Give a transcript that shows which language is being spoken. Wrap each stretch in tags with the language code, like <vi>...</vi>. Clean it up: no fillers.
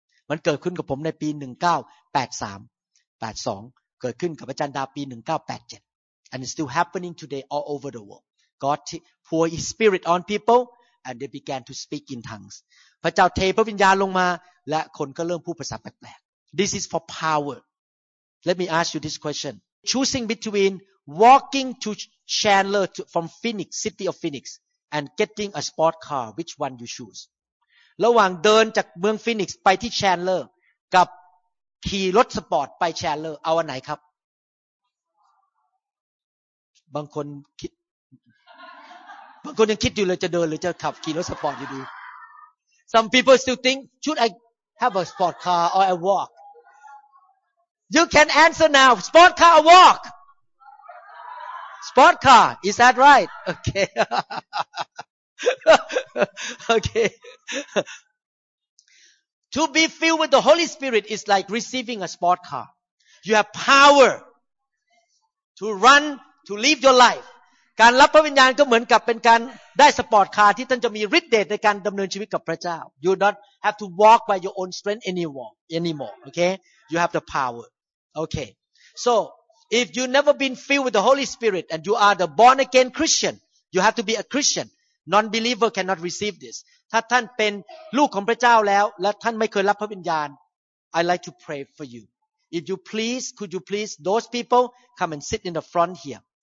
<th>มันเกิดขึ้นกับผมในปี1983-82เกิดขึ้นกับอาจารย์ดาปี1987</th> <en>And it's still happening today all over the world God pour His Spirit on people and they began to speak in tonguesพระเจ้าเทพระวิญญาณลงมาและคนก็เริ่มพูดภาษาแปลกๆ This is for power. Let me ask you this question. Choosing between walking to Chandler from Phoenix, city of Phoenix, and getting a sport car, which one you choose?</en> <th>ระหว่างเดินจากเมือง Phoenix ไปที่ Chandler กับขี่รถสปอร์ตไป Chandler, เอาอันไหนครับบางคนยังคิดอยู่เลยจะเดินหรือจะขับขี่รถสปอร์ตอยู่ดี</th> <en>Some people still think, should I have a sport car or a walk? You can answer now, sport car or walk? Sport car, is that right? Okay. okay. To be filled with the Holy Spirit is like receiving a sport car. You have power to run, to live your life.</en> <th>การรับพระวิญญาณก็เหมือนกับเป็นการได้สปอร์ตคาร์ที่ท่านจะมีฤทธิ์เดชในการดำเนินชีวิตกับพระเจ้า</th> <en>You don't have to walk by your own strength anymore okay you have the power okay so if you never been filled with the Holy Spirit and you are the born again Christian you have to be a Christian non believer cannot receive this</en> <th>ถ้าท่านเป็นลูกของพระเจ้าแล้วและท่านไม่เคยรับพระวิญญาณ</th> <en>I like to pray for you if you please could you please those people come and sit in the front here</en>